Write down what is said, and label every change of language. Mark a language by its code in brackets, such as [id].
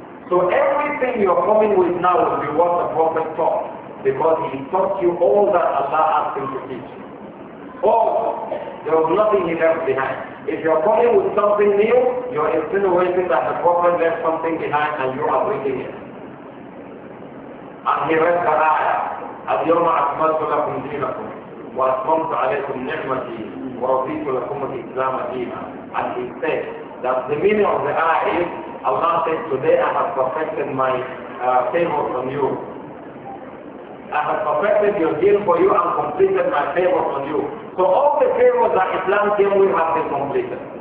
[en] So everything you're coming with now will be what the Prophet taught, because he taught you all that Allah asked him to teach you. Also, there was nothing he left behind. If you're coming with something new, you're insinuating that the Prophet left something behind and you are bringing it. And he read the ayah, [ar] أَلْيَوْمَ أَكْمَلْتُ لَكُمْ دِينَكُمْ وَأَتْمَمْتُ عَلَيْكُمْ نِعْمَتِي وَرَضِيتُ لَكُمُ الْإِسْلَامَ دِينًا. [en] And he said that the meaning of the ayah is, Allah said, today I have perfected my favor from you. I have perfected your deen for you and completed my favor on you. So all the favors that Islam came with have been completed.